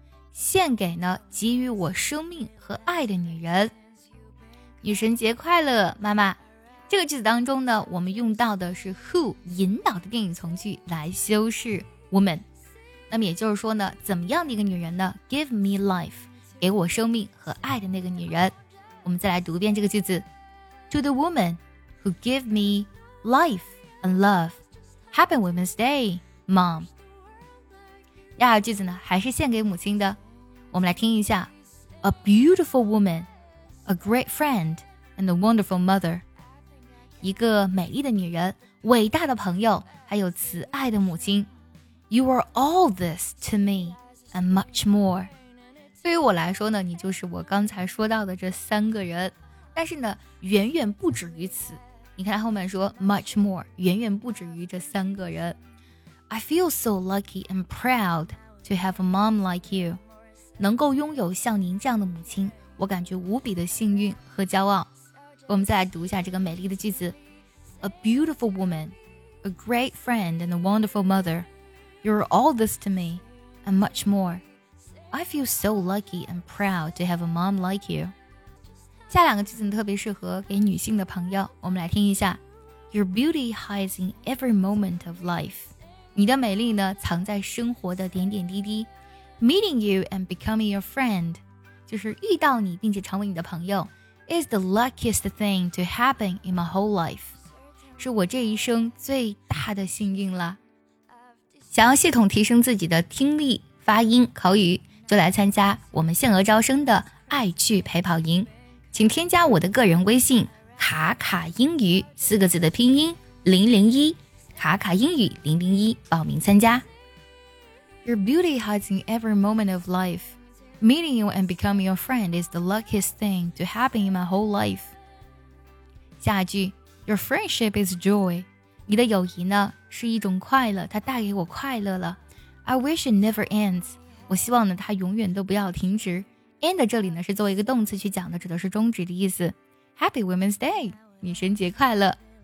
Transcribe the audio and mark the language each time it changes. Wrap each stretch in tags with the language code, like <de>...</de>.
<zh>献给呢给予我生命和爱的女人，女神节快乐妈妈。这个句子当中呢，我们用到的是 who 引导的定语从句来修饰 woman。那么也就是说呢，怎么样的一个女人呢？</zh> <en>Give me life，</en> <zh>给我生命和爱的那个女人。我们再来读一遍这个句子。</zh> <en>To the woman who gave me life and love, Happy Women's Day, Mom。</en> <zh>第二句子呢，还是献给母亲的，我们来听一下。</zh> <en>A beautiful woman, a great friend, and a wonderful mother。</en> <zh>一个美丽的女人，伟大的朋友，还有慈爱的母亲。</zh> <en>You are all this to me and much more。</en> <zh>对于我来说呢，你就是我刚才说到的这三个人，但是呢远远不止于此。你看后面说</zh> <en>much more，</en> <zh>远远不止于这三个人。</zh> <en>I feel so lucky and proud to have a mom like you，</en> <zh>能够拥有像您这样的母亲，我感觉无比的幸运和骄傲。我们再来读一下这个美丽的句子。</zh> <en>A beautiful woman, a great friend and a wonderful mother, you're all this to me and much moreI feel so lucky and proud to have a mom like you.</en> <zh>下两个句子特别适合给女性的朋友，我们来听一下。</zh> <en>Your beauty hides in every moment of life.</en> <zh>你的美丽呢，藏在生活的点点滴滴。</zh> <en>Meeting you and becoming your friend,</en> <zh>就是遇到你并且成为你的朋友，</zh> <en>is the luckiest thing to happen in my whole life.</en> <zh>是我这一生最大的幸运了。想要系统提升自己的听力、发音、口语，就来参加我们限额招生的爱趣陪跑营，请添加我的个人微信卡卡英语四个字的拼音001，卡卡英语001报名参加。</zh> <en>Your beauty hides in every moment of life. Meeting you and becoming your friend is the luckiest thing to happen in my whole life.</en> <zh>下一句，</zh> <en>Your friendship is joy.</en> <zh>你的友谊呢是一种快乐，它带给我快乐了。</zh> <en>I wish it never ends.</en> <zh>我希望呢它永远都不要停止。And 这里呢是作为一个动词去讲的，指的是终止的意思。</zh> <en>Happy Women's Day，</en> <zh>女神节快乐。</zh>